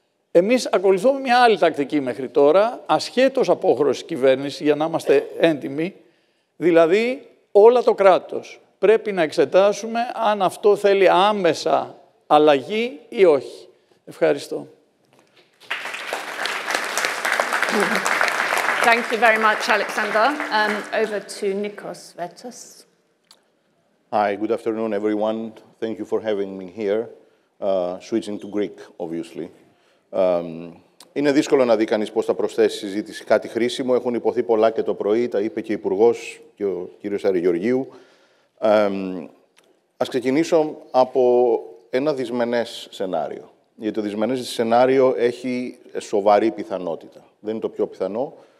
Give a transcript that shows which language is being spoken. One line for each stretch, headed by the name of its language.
Greek: Εμείς ακολουθούμε μια άλλη τακτική μέχρι τώρα, ασχέτως απόχρωση κυβέρνηση, για να είμαστε έντιμοι, δηλαδή όλα το κράτος. Πρέπει να εξετάσουμε αν αυτό θέλει άμεσα αλλαγή ή όχι. Ευχαριστώ.
English: Thank you very much, Alexander. Over to Nikos Vetos. Hi, good afternoon, everyone. Thank you for having me here. Switching to Greek, obviously.
Greek: Είναι δύσκολο να δει κανείς πώς θα προσθέσει η συζήτηση κάτι χρήσιμο. Έχουν υποθεί πολλά και το πρωί, τα είπε και ο Υπουργός και ο κύριος Αρηγεωργίου. Ας ξεκινήσω από ένα δυσμενές σενάριο. Γιατί το δυσμενές σενάριο έχει σοβαρή πιθανότητα. Δεν είναι το πιο πιθανό.